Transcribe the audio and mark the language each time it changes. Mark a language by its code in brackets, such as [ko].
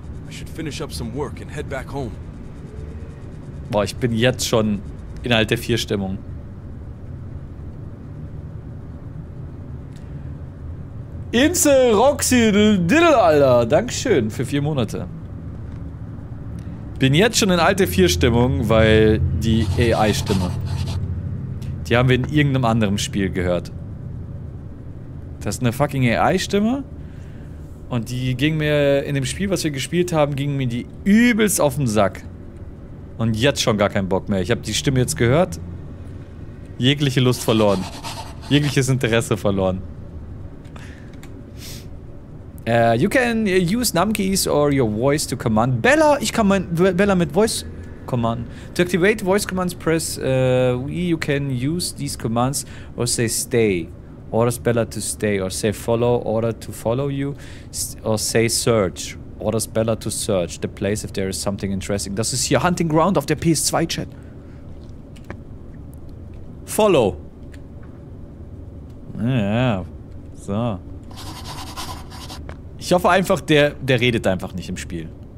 [en] I should finish up some work and head back home. [de] Boah, ich bin jetzt schon innerhalb der Vier-Stimmung. Imse Roxy Diddle, Alter. Dankeschön für 4 Monate. Bin jetzt schon in alte Vier-Stimmung, weil die AI-Stimme. Die haben wir in irgendeinem anderen Spiel gehört. Das ist eine fucking AI-Stimme. Und die ging mir in dem Spiel, was wir gespielt haben, ging mir die übelst auf den Sack. Und jetzt schon gar keinen Bock mehr. Ich habe die Stimme jetzt gehört. Jegliche Lust verloren. Jegliches Interesse verloren. [en] You can use numkeys or your voice to command. [de] Bella, ich kann mein Bella mit Voice command. [en] To activate voice commands, press you can use these commands or say stay. Orders Bella to stay or say follow, order to follow you or say search. Orders Bella to search the place if there is something interesting. [de] Das ist hier Hunting Ground auf der PS2 Chat. [en] Follow. [de] Ja, so. Ich hoffe einfach, der redet einfach nicht im Spiel.